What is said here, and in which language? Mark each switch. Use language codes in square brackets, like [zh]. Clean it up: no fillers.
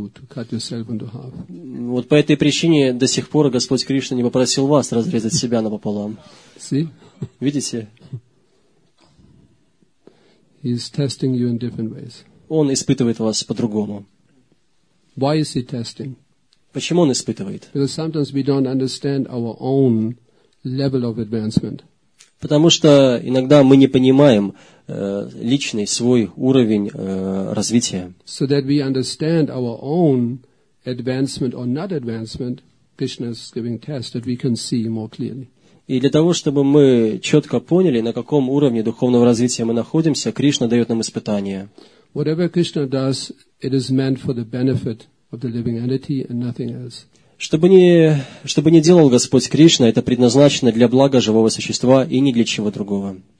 [ru] Вот по этой причине до сих пор Господь Кришна не попросил вас разрезать себя напополам. Видите? [en] He's testing you in different ways. [ru] Он испытывает вас по-другому. [en] Why is he testing? [ru] Почему он испытывает? [en] Because sometimes we don't understand our own level of advancement. [ru] Потому что иногда мы не понимаем личный свой уровень развития. [en] So that we understand our own advancement or not advancement, Krishna is giving tests that we can see more clearly. [ru] И для того, чтобы мы четко поняли, на каком уровне духовного развития мы находимся, Кришна дает нам испытания. [en] Whatever Krishna does, it is meant for the benefit of the living entity and nothing else. [ru] Чтобы ни делал Господь Кришна, это предназначено для блага живого существа и ни для чего другого.